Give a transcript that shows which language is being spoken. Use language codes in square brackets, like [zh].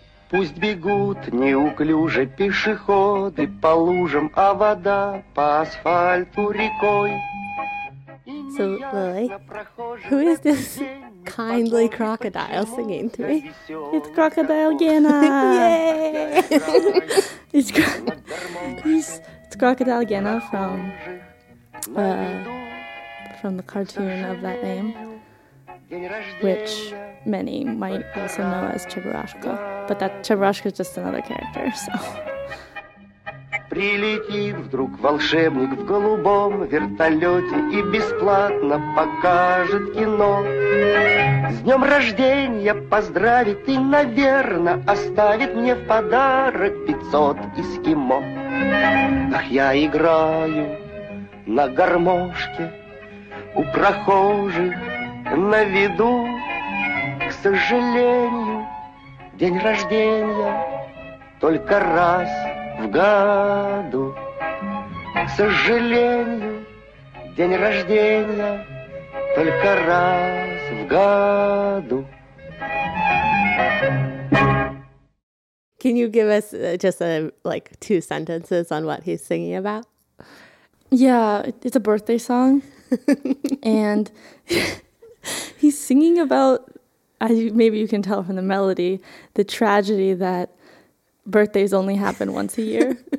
[ru] Пусть бегут неуклюже пешеходы по лужам, а вода по асфальту рекой. [en] So, Lily, who is this kindly crocodile singing to me? It's Crocodile Gena! Yay! it's Crocodile Gena from the cartoon of that name, which many might also know as Chaburashka. But that Chaburashka is just another character, so... [ru] Прилетит вдруг волшебник в голубом вертолете и бесплатно покажет кино. С днем рождения поздравит и, наверное, оставит мне в подарок 500 эскимо. Ах, я играю на гармошке у прохожих на виду. К сожалению, день рождения только раз в году. К сожалению, день рождения только раз в году. [en] Can you give us just like two sentences on what he's singing about? Yeah, it's a birthday song. And he's singing about, as maybe you can tell from the melody, the tragedy that birthdays only happen once a year.